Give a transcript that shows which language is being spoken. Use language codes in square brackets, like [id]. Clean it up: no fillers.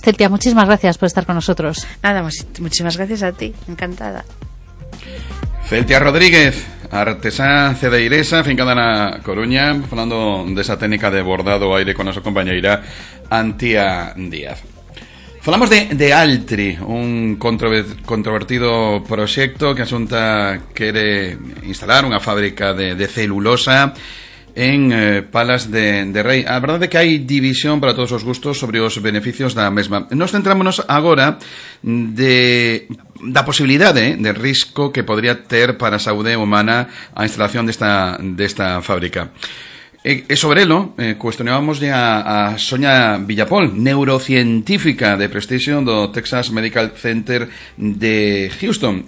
[es] Celtia, muchísimas gracias por estar con nosotros. Nada, muchísimas gracias a ti. Encantada. Celtia Rodríguez, artesana cedeiresa, afincada en la Coruña, hablando de esa técnica de bordado aire con su compañera Antía Díaz. [gl] Falamos de Altri, un controvertido proxecto que a Xunta quere instalar, unha fábrica de celulosa en Palas de Rei. A verdade é que hai división para todos os gustos sobre os beneficios da mesma. Nos centrámonos agora da posibilidade de risco que podría ter para a saúde humana a instalación desta fábrica. E sobre elo, cuestionábamos ya a Sonia Villapol, neurocientífica de prestixio do Texas Medical Center de Houston.